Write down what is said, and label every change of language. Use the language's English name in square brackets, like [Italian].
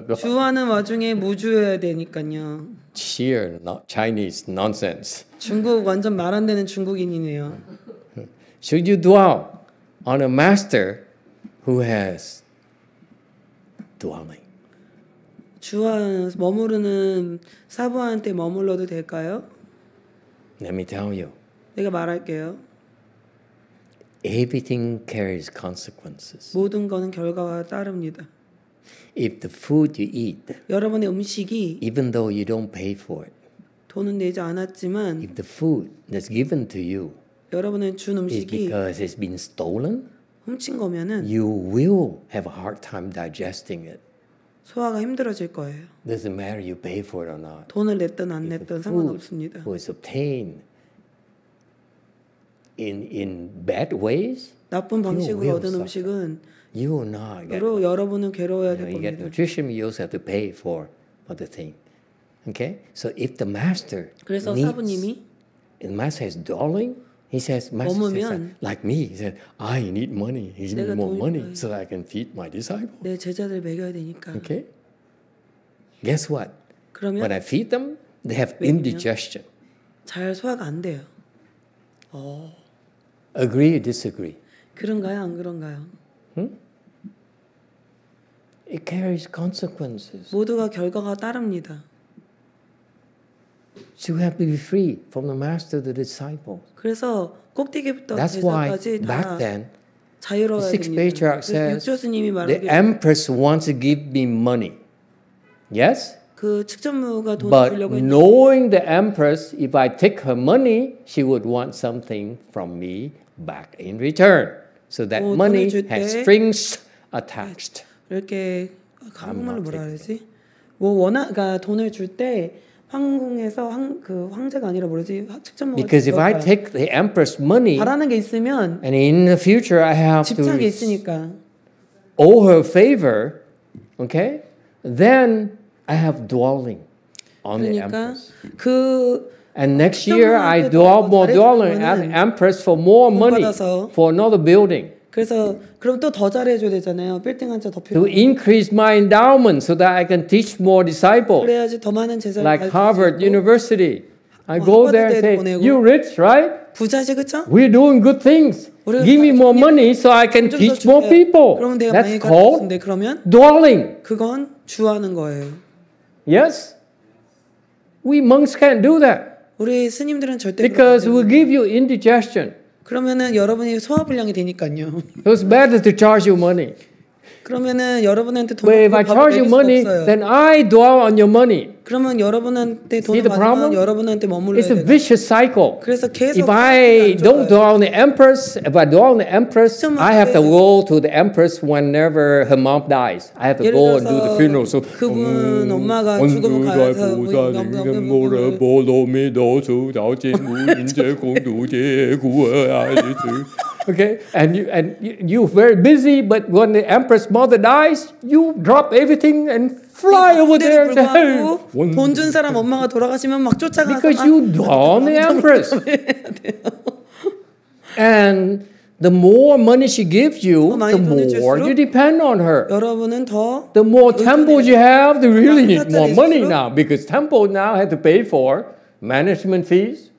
[Korean] 주하는 와중에 무주해야 되니까요. [English] Sheer Chinese nonsense. [Korean] 중국 완전 말 안 되는 중국인이네요. [English] Should you dwell on a master who has dwelling? [Korean] 주하 머무르는 사부한테 머물러도 될까요? [English] Let me tell you. [Korean] 내가 말할게요. [English] Everything carries consequences. [Korean] 모든 거는 결과가 따릅니다. [English] If the food you eat, [Korean] 여러분의 음식이 [English] even though you don't pay for it, [Korean] 돈은 내지 않았지만 [English] if the food that's given to you [Korean] 여러분의 준 음식이 [English] is because it's been stolen [Korean] 훔친 거면은 [English] you will have a hard time digesting it [Korean] 소화가 힘들어질 거예요. [English] Doesn't matter you pay for it or not [Korean] 돈을 냈든 안 냈든 상관없습니다. [English] Was obtained in bad ways [Korean] 나쁜 방식으로 얻은 음식은 [English] you will not get [Korean] 바로 여러분은 괴로워야 될 겁니다. [English] You get nutrition, you also have to pay for the thing. Okay, so if the master [Korean] 그래서 [English] needs, [Korean] 사부님이 [English] the master is dwelling, he says, master [Korean] 머무면, [English] says, like me, he said, I need money, he needs more [Korean] 돈, [English] money so that I can feed my disciples. [Korean] 내 제자들 먹여야 되니까. [English] Okay, guess what? [Korean] 그러면, [English] when I feed them, they have [Korean] 왜냐면, [English] indigestion. [Korean] 잘 소화가 안 돼요. 오. [English] Agree or disagree? [Korean] 그런가요, 안 그런가요? [English] Hmm? It carries consequences. [Korean] 모두가 결과가 따릅니다. [English] So we have to be free from the master to the disciple. [Korean] 그래서 꼭대기부터 [English] That's why back then, the sixth patriarch says, the empress wants to give me money. Yes? [Korean] 그 측전무가 돈을 [English] But [Korean] 주려고 [English] But knowing the empress, if I take her money, she would want something from me back in return. So that money has strings attached. [Korean] 이렇게 한국말로 뭐라 그러지? 뭐 원화가 돈을 줄 때 황궁에서 그 황제가 아니라 뭐지? 측전무가 [English] Because if I take the empress money, [Korean] 바라는 게 있으면, [English] and in the future I have to owe [Korean] 있으니까. [English] Her favor, okay? Then I have dwelling on [Korean] 그러니까 [English] the empress. [Korean] 그 [English] And next year I dwell more dwelling at empress for more money for another building. [Korean] 그래서 그럼 또 더 잘해줘야 되잖아요. 빌딩 한 채 더 필요. [English] To increase my endowment so that I can teach more disciples. [Korean] 그래야지 더 많은 제자를 [English] Like Harvard [Korean] 있고, [English] University, I go there and say, "You rich, right? [Korean] 부자지 그쵸? [English] We're doing good things. Give me more money so I can teach more people." [Korean] 그러면 내가 [English] That's called [Korean] 그러면 [English] dwelling. [Korean] 그건 주하는 거예요. [English] Yes. We monks can't do that. [Korean] 우리 스님들은 절대 [English] Because we give you indigestion. [Korean] 그러면은 여러분이 소화 불량이 되니까요. [English] It's better to charge you money. [Korean] 그러면은 여러분한테 돈을 받을 수 없어요. [English] If I charge you money, then I dwell on your money. [Korean] 그러면 여러분한테 돈을 받으면 여러분한테 머물러야 돼요. [English] It's a vicious cycle. [Korean] 그래서 계속 [English] If I don't dwell on the empress, if I dwell on the empress, I have to go to the empress whenever her mom dies. I have to go and do the funeral. So [Korean] 그분 엄마가 죽으면 가야 돼요. [English] Okay, and you very busy, but when the empress mother dies, you drop everything and fly over there to her. [Korean] 돈 준 사람 엄마가 돌아가시면 막 쫓아가서 [English] Because you dwell on the empress. And the more money she gives you, the more you depend on her. [Korean] 여러분은 더 [English] The more temples you have, the really need more money now. Because temple now have to pay for management fees.